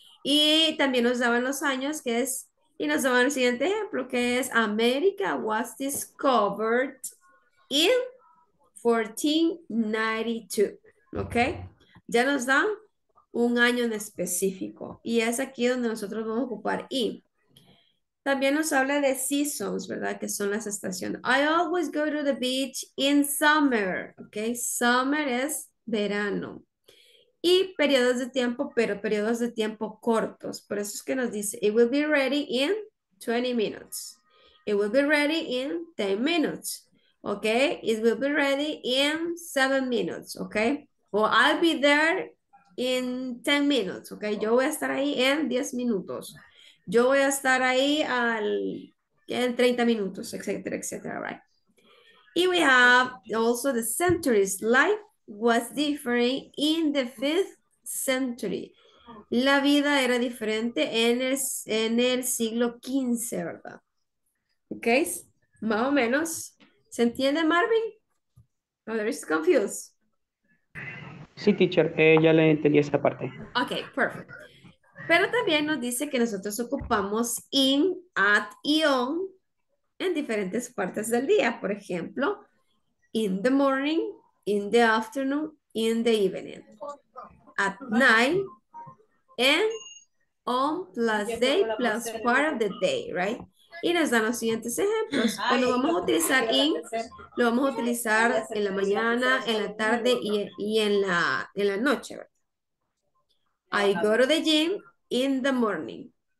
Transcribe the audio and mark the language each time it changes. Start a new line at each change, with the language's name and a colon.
Spanish: Y también nos daban los años, que es, y nos daban el siguiente ejemplo, que es
English: America was discovered in 1492,
Spanish: ¿ok? Ya nos dan un año en específico. Y es aquí donde nosotros vamos a ocupar in. También nos habla de seasons, ¿verdad? Que son las estaciones.
English: I always go to the beach in summer.
Spanish: Ok, summer es verano. Y periodos de tiempo, pero periodos de tiempo cortos. Por eso es que nos dice,
English: it will be ready in 20 minutes. It will be ready in 10 minutes. Ok, it will be ready in 7 minutes. Ok, or I'll be there in 10 minutes.
Spanish: Ok, yo voy a estar ahí en 10 minutos. Yo voy a estar ahí en 30 minutos, etcétera, etcétera, right?
English: Y we have also the centuries. Life was different in the 5th century.
Spanish: La vida era diferente en el siglo XV, ¿verdad? ¿Ok? Más o menos. ¿Se entiende, Marvin?
English: No, there is confused.
Spanish: Sí, teacher, ya le entendí esa parte.
English: Ok, perfect.
Spanish: Pero también nos dice que nosotros ocupamos in, at y on en diferentes partes del día. Por ejemplo,
English: in the morning, in the afternoon, in the evening, at night, and on plus day plus part of the day, right?
Spanish: Y nos dan los siguientes ejemplos. Cuando vamos a utilizar in, lo vamos a utilizar en la mañana, en la tarde y en la noche, ¿verdad?
English: I go to the gym in the morning.